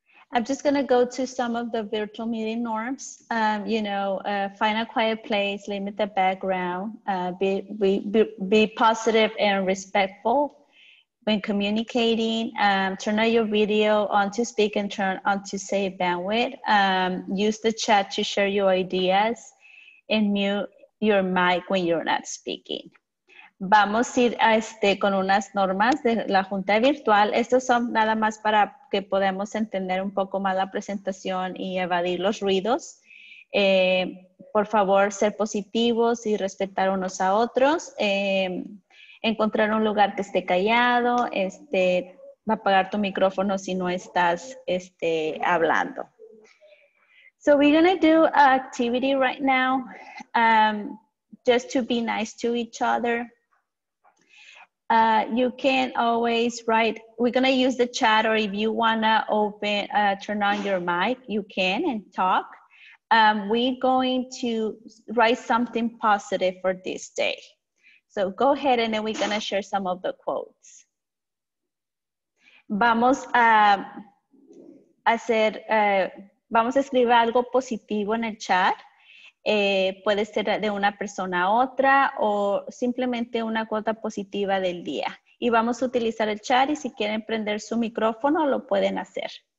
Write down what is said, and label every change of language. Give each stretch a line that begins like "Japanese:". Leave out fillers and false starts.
English: I'm just going to go to some of the virtual meeting norms. Find a quiet place, limit the background, be positive and respectful when communicating, turn on your video on to speak and turn on to save bandwidth, use the chat to share your ideas, and mute your mic when you're not speaking.
Spanish: Vamos a ir a con unas normas de la junta virtual. Estos son nada más para que podamos entender un poco más la presentación y evadir los ruidos. Por favor, ser positivos y respetar unos a otros. Encontrar un lugar que esté callado. Apagar tu micrófono si no estás hablando.
English: So we're going to do an activity right now just to be nice to each other. You can always write, we're going to use the chat, or if you want to open, turn on your mic, you can and talk. We're going to write something positive for this day. So go ahead and then we're going to share some of the quotes.
Spanish: Vamos a hacer, vamos a escribir algo positivo en el chat. Puede ser de una persona a otra o simplemente una cuota positiva del día. Y vamos a utilizar el chat y si quieren prender su micrófono lo pueden hacer.